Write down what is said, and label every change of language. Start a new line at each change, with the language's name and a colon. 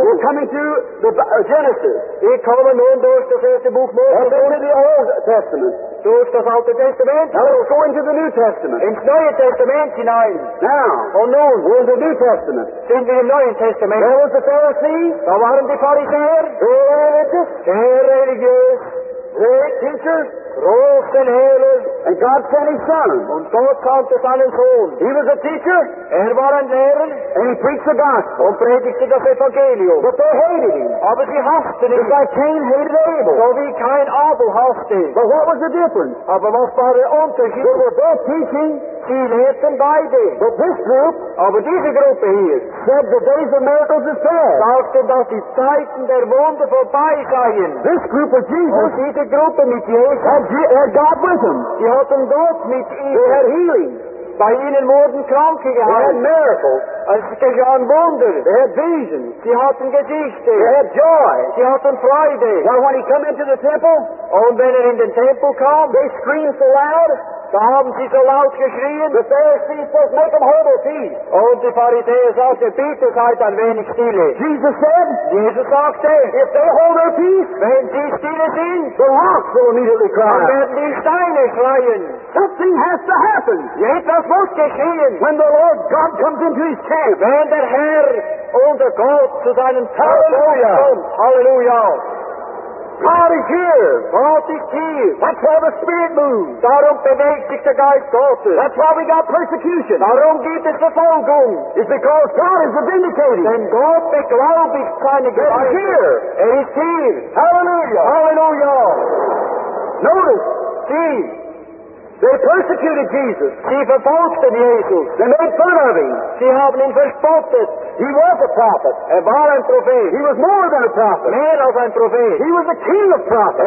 English: We're coming to the Genesis.
German: Wir kommen nun durch das erste Buch Mose.
English: And then to the Old Testament.
German: Durch das Alte Testament.
English: Now we're going to the New Testament.
German: Ins Neue Testament hinein.
English: Now.
German: Oh nun.
English: We're in the New Testament.
German: Sind wir im Neuen Testament.
English: There was the Pharisees.
German: Da waren die Pharisäer. Sehr religiös. Sehr religiös.
English: Great teacher.
German: Große Lehrer.
English: And God sent his son.
German: Und Gott sandte seinen Sohn.
English: He was a teacher.
German: Er war ein Lehrer.
English: And he preached the gospel.
German: Und predigte das Evangelium.
English: But they hated him.
German: Aber sie hassten ihn.
English: Just like Cain hated Abel.
German: So wie Cain Abel hasste.
English: But what was the difference?
German: Aber was war der Unterschied?
English: They were both teaching.
German: Sie lehrten beide.
English: But this group.
German: Aber diese Gruppe hier.
English: Said the days of miracles is past.
German: Sagte, dass die Zeiten der Wunder vorbei seien.
English: This group of Jesus.
German: Und diese Gruppe mit Jesus.
English: Had God with them.
German: Sie hatten Gott mit ihnen.
English: They had healing.
German: Bei ihnen wurden Kranke geheilt.
English: They had miracles.
German: Es geschahen Wunder.
English: They had visions.
German: Sie hatten Gesichte.
English: They had joy.
German: Sie hatten Freude.
English: Now when he came into the temple,
German: und wenn er in den Tempel kam,
English: they screamed so loud.
German: Da haben sie so laut geschrien.
English: The Pharisees said, make them hold their peace.
German: Und die Pharisäer sagten, bitte seid ein wenig stille.
English: Jesus said,
German: Jesus sagte,
English: if they hold their peace,
German: wenn sie stille sind,
English: the rocks will immediately cry.
German: Dann werden die Steine schreien.
English: Something has to happen.
German: Jetzt muss geschehen.
English: When the Lord God comes into his camp.
German: Wenn der Herr unser Gott zu seinem Tempel kommt.
English: Hallelujah.
German: Hallelujah.
English: God is here.
German: God is here.
English: That's why the Spirit moves.
German: Darum bewegt sich der Geist Gottes.
English: That's why we got persecution.
German: Darum gibt es Verfolgung.
English: It's because God is the vindicator.
German: Then God beglaubigt seine Gemeinde.
English: He's here.
German: Er ist hier.
English: Hallelujah.
German: Hallelujah.
English: Notice.
German: See.
English: They persecuted Jesus.
German: Sie verfolgten Jesus.
English: They made fun of him.
German: Sie haben ihn verspottet.
English: He was a prophet.
German: Er war ein Prophet.
English: He was more than a prophet.
German: Mehr als ein Prophet.
English: He was the king of prophets.